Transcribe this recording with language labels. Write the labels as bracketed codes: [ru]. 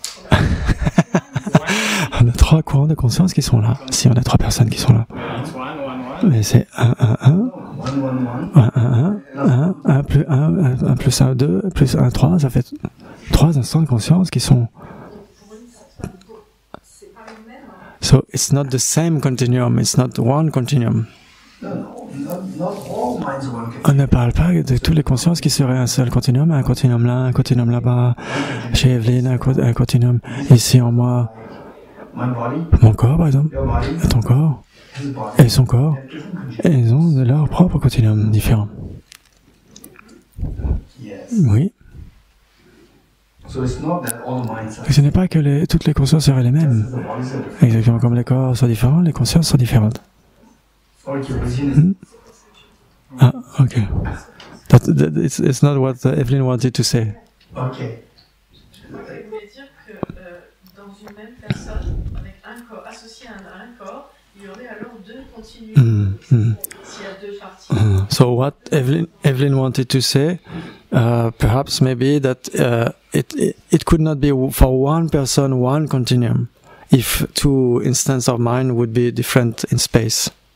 [fr] On a trois courants de conscience qui sont là, si on a trois personnes qui sont là. Mais c'est 1 plus 1, 2 plus 1, 3, ça fait trois instants de conscience qui sont... [en] So it's not the same continuum, it's not one continuum. [fr] On ne parle pas de toutes les consciences qui seraient un seul continuum, un continuum là, un continuum là-bas, chez Evelyne, un continuum ici en moi, mon corps par exemple, ton corps, et son corps, et ils ont leur propre continuum différent. Oui. Et ce n'est pas que toutes les consciences seraient les mêmes. Exactement comme les corps sont différents, les consciences sont différentes. Ah, ok. [en] That it's not what Evelyne wanted to say. Ok. [fr] Je voulais dire que dans une même personne, avec un corps, associé à un corps, il y aurait alors deux continuums. [en] So what Evelyne wanted to say, perhaps maybe that it could not be for one person one continuum, if two instances of mind would be different in space.